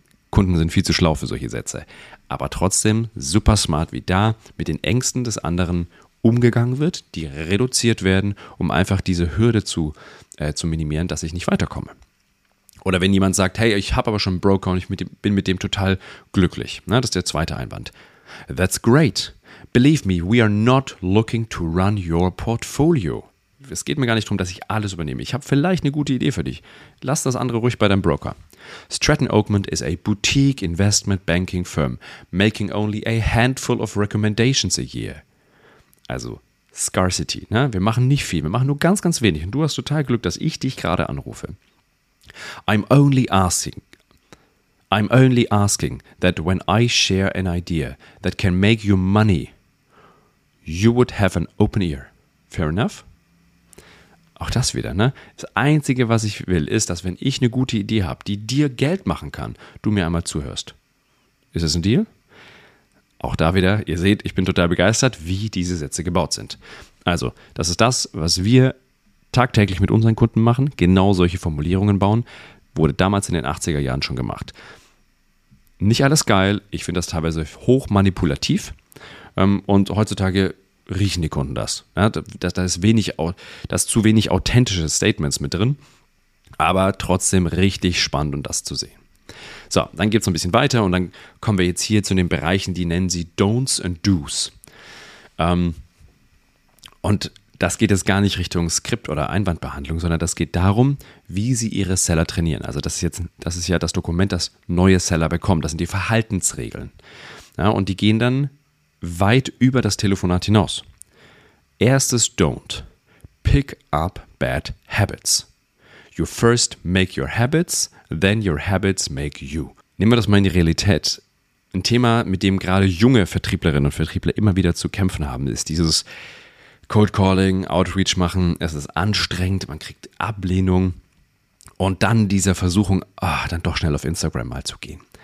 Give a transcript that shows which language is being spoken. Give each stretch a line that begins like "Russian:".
German: Kunden sind viel zu schlau für solche Sätze. Aber trotzdem super smart, wie da mit den Ängsten des anderen umgegangen wird, die reduziert werden, um einfach diese Hürde zu minimieren, dass ich nicht weiterkomme. Oder wenn jemand sagt, hey, ich habe aber schon einen Broker und bin mit dem total glücklich. Na, das ist der zweite Einwand.
English: That's great. Believe me, we are not looking to run your portfolio.
German: Es geht mir gar nicht darum, dass ich alles übernehme. Ich habe vielleicht eine gute Idee für dich. Lass das andere ruhig bei deinem Broker.
English: Stratton Oakman is a boutique investment banking firm, making only a handful of recommendations a year.
German: Also Scarcity. Ne? Wir machen nicht viel, wir machen nur ganz, ganz wenig. Und du hast total Glück, dass ich dich gerade anrufe.
English: I'm only asking that when I share an idea that can make you money, you would have an open ear. Fair enough?
German: Auch das wieder, ne? Das Einzige, was ich will, ist, dass wenn ich eine gute Idee habe, die dir Geld machen kann, du mir einmal zuhörst. Ist es ein Deal? Auch da wieder, ihr seht, ich bin total begeistert, wie diese Sätze gebaut sind. Also, das ist das, was wir tagtäglich mit unseren Kunden machen, genau solche Formulierungen bauen, wurde damals in den 80er Jahren schon gemacht. Nicht alles geil, ich finde das teilweise hoch manipulativ und heutzutage riechen die Kunden das. Ja, da ist zu wenig authentische Statements mit drin, aber trotzdem richtig spannend, um das zu sehen. So, dann geht es ein bisschen weiter und dann kommen wir jetzt hier zu den Bereichen, die nennen sie Don'ts and Do's. Und das geht jetzt gar nicht Richtung Skript oder Einwandbehandlung, sondern das geht darum, wie sie ihre Seller trainieren. Also das ist ja das Dokument, das neue Seller bekommen. Das sind die Verhaltensregeln. Ja, und die gehen dann weit über das Telefonat hinaus. Erstes
English: Don't. Pick up bad habits. You first make your habits, then your habits make you.
German: Nehmen wir das mal in die Realität. Ein Thema, mit dem gerade junge Vertrieblerinnen und Vertriebler immer wieder zu kämpfen haben, ist dieses Cold Calling, Outreach machen. Es ist anstrengend, man kriegt Ablehnung. Und dann diese Versuchung, dann doch schnell auf Instagram mal zu gehen.